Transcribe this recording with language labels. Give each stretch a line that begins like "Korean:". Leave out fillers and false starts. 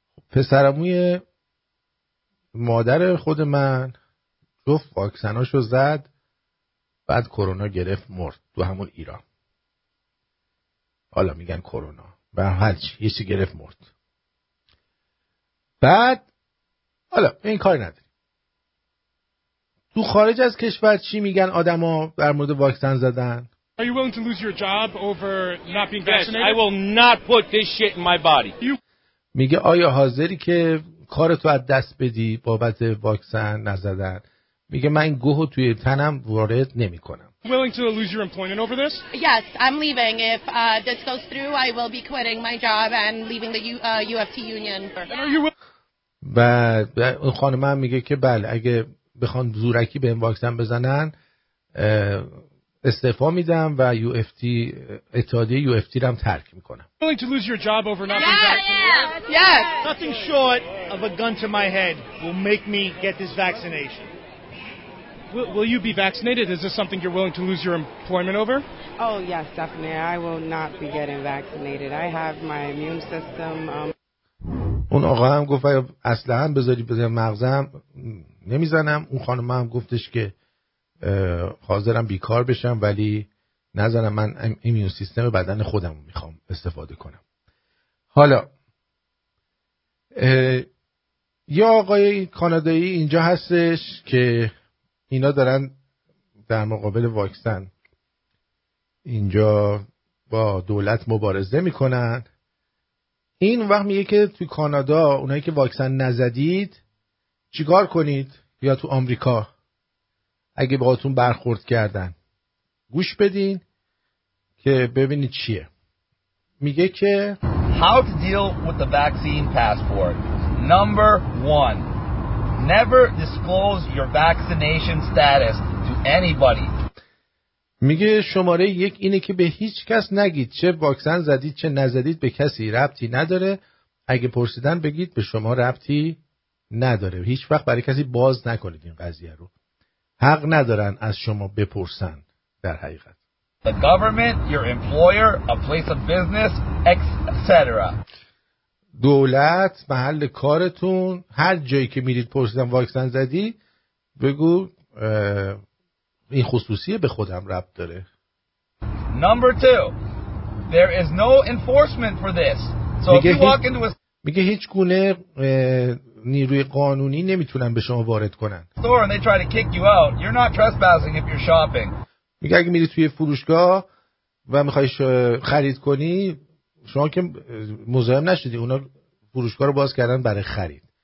Persian: پسرموی مادر خود من جفت واکسناشو زد، بعد کرونا گرفت مرد تو همون ایران. حالا میگن کرونا و هرچ یکی گرفت مرد. بعد حالا این کاری نداریم. تو خارج از کشور چی میگن آدما در مورد واکسن زدن؟
English: Are you willing to lose your job over not being vaccinated? Yes, I will not put this shit in my body.
Persian: میگه آیا حاضری که کارتو از دست بدی بابت واکسن نزدن؟ میگه من گوهو توی تنم وارد نمی کنم.
English: Willing to lose your employment over this? Yes, I'm leaving. If this goes through, I will be quitting my job and leaving the UFT union.
Persian: و اون خانم هم میگه که بله، اگه بخوان زورکی به این واکسن بزنن استعفا میدم و اتحادیه UFT رو هم ترک میکنم.
English: Willing to lose your job over not being vaccinated? Yes. Nothing short of a gun to my head will make me get this vaccination. Will you be vaccinated? Is this something you're willing to lose your employment over? Oh yes, definitely. I will not be getting vaccinated. I have my immune system.
Persian: اون آقا هم گفت اصلا هم بذاری بذاری مغزم نمیزنم. اون خانم هم گفتش که حاضرم بیکار بشم ولی نزنم، من ایمیون سیستم بدن خودم رو میخوام استفاده کنم. حالا یا آقای کانادایی اینجا هستش که اینا دارن در مقابل واکسن اینجا با دولت مبارزه میکنن، این وقت میگه که تو کانادا اونایی که واکسن نزدید چیکار کنید، یا تو آمریکا اگه باهاتون برخورد کردن. گوش بدین که ببینید چیه. میگه که
English: How to deal with the vaccine passport. Number one. Never disclose your vaccination status to anybody.
Persian: میگه شماره یک اینه که به هیچ کس نگید چه واکسن زدید چه نزدید به کسی ربطی نداره. اگه پرسیدن بگید به شما ربطی نداره. هیچ وقت برای کسی باز نکنید این قضیه رو. حق ندارن از شما بپرسن در حقیقت.
English: The government, your employer, a place of business, etc.
Persian: دولت، محل کارتون، هر جایی که میرید پرسیدن واکسن زدی بگو این خصوصیه به خودم ربط داره.
English: Number two, there is no enforcement for this. So if you walk into a...
Persian: میگه هیچ گونه نیروی قانونی نمیتونن به شما وارد کنن.
English: Store and they try to kick you out. You're not trespassing if you're shopping.
Persian: میگه اگه میری توی فروشگاه و میخوای خرید کنی شما که مزاحم نشدی، اونا فروشگاه رو باز کردن برای خرید.